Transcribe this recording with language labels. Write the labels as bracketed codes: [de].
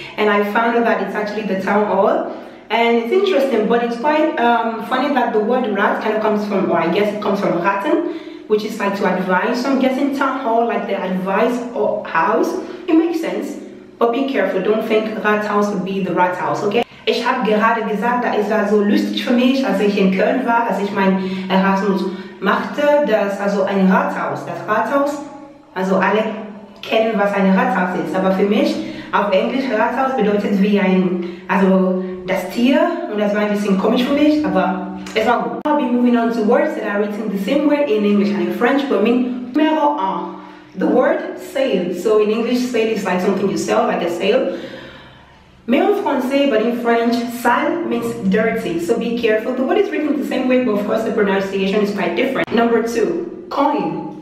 [en] And I found out that it's actually the town hall, and it's interesting, but it's quite funny that the word rat kind of comes from, or I guess it comes from Ratten, which is like to advise. So I'm guessing town hall, like the advice or house, it makes sense, but be careful, don't think Rathaus would be the rat house, okay? [de] Ich habe gerade gesagt, da ist war so lustig für mich, als ich in Köln war, als ich mein Erasmus machte, dass also ein Rathaus, das Rathaus, also alle kennen, was ein Rathaus ist, aber für mich auf Englisch Rathaus bedeutet wie ein, also das Tier, und das war ein bisschen komisch für mich, aber es war gut. [en] I'll be moving on to words that are written the same way in English and in French, but mean [fr] numéro un. [en] The word sale. So in English, sale is like something you sell, like a sale. [fr] Mais en français, [en] but in French, sale means dirty. So be careful. The word is written the same way, but of course the pronunciation is quite different. Number two, coin.